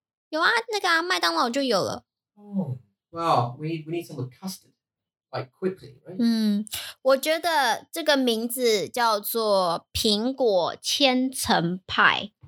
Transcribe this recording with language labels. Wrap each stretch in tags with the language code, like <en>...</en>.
<zh>有啊，那个啊，麦当劳就有了。</zh> <en>Oh, well, we need some with custard, like quickly, right?</en> <zh>我觉得这个名字叫做苹果千层派。</zh>